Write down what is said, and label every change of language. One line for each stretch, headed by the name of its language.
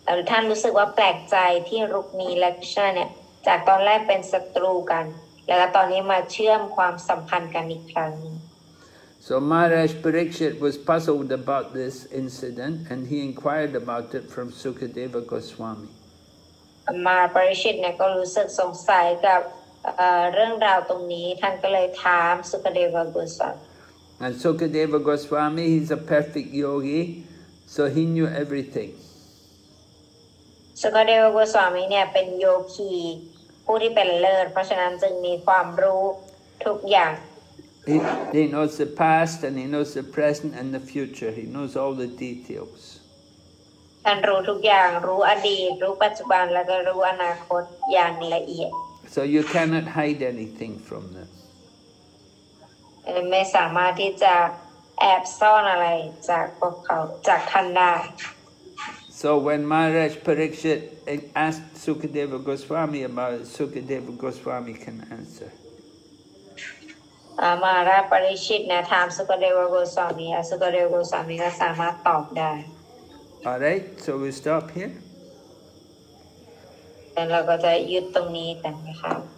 Thai: ท่านรู้สึกว่าแปลกใจที่รุกมีและกิชาเนี่ยจากตอนแรกเป็นศัตรูกันแล้วตอนนี้มาเชื่อมความสัมพันธ์กันอีกครั้ง
English: So Maharaj Parikshit was puzzled about this incident and he inquired about it from Sukadeva Goswami
Thai: Maharaj Parikshit เนี่ยก็รู้สึกสงสัยกับเรื่องราวตรงนี้ท่านก็เลยถามสุคเดวะโกสวามี
English: And Sukadeva Goswami he's a perfect yogi so he knew everything
Thai: สุคเดวะโกสวามีเนี่ยเป็นโยคีผู้ที่เป็นเลิศเพราะฉะนั้นจึงมีความรู้ทุกอย่าง
English: He knows the past and he knows the present and the future. He knows all the details.
Thai: ท่านรู้ทุกอย่างรู้อดีตรู้ปัจจุบันแล้วก็รู้อนาคตอย่างละเอียด
English: So you cannot hide anything from them.
Thai: ไม่สามารถที่จะแอบซ่อนอะไรจากพวกเขาจากท่านได้
English: So when Maharaj Parikshit asked Sukadeva Goswami about it, Sukadeva Goswami can answer. Maharaj Parikshit na tham Sukadeva Goswami, Sukadeva Goswami ka sama tob dai. All right, so we we'll stop here.
Thai: And เราก็จะหยุดตรงนี้กันนะคะ